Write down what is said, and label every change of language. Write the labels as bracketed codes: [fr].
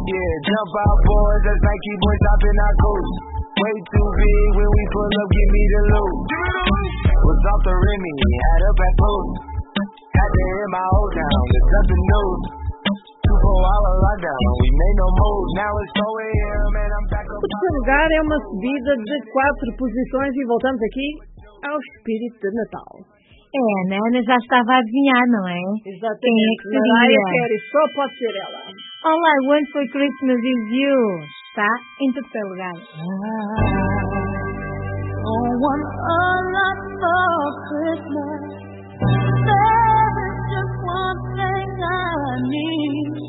[en] Yeah, jump out, boys, that's Nike boys hopping our coast. Way too big, when we pull up, give me the loot. Was off the Remy, had up at post. Had to hit my old town, there's nothing new. 2-4-hour lockdown, we made no moves. Now it's 4 a.m. and I'm back up. [pt] O terceiro lugar é uma subida de 4 posições e voltamos aqui ao espírito de Natal. É, né? Ana já estava a adivinhar, não é? Exatamente. Quem é que seria? Só pode ser ela. [en] All I Want for Christmas is You. [pt] Está em terceiro lugar. [en] I don't want a lot for Christmas. There is just one thing I need.